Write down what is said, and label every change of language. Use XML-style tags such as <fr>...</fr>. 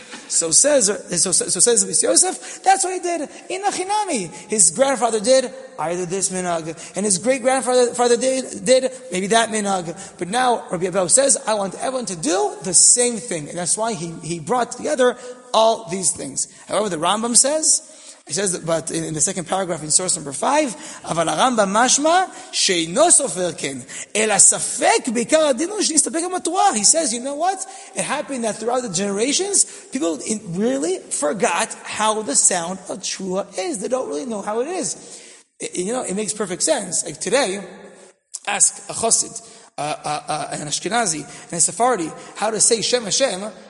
<en>So says Rabbi Yosef, that's what he did in the Chinami. His grandfather did either this minhag, and his great-grandfather did maybe that minhag. But now Rabbi Abahu says, I want everyone to do the same thing. And that's why he brought together all these things. However, the Rambam says, but in the second paragraph in source number 5,</en> <he>אבל הרמב"ם משמע שאינו סופר כן, אלא ספק בעיקר הדין הוא שנסתפק עם התורה.</he> <en>He says, you know what? It happened that throughout the generations, people really forgot how the sound of Teruah is. They don't really know how it is. You know, it makes perfect sense. Like today, ask a Chosid, an Ashkenazi, and a Sephardi, how to say Shem Hashem.</en>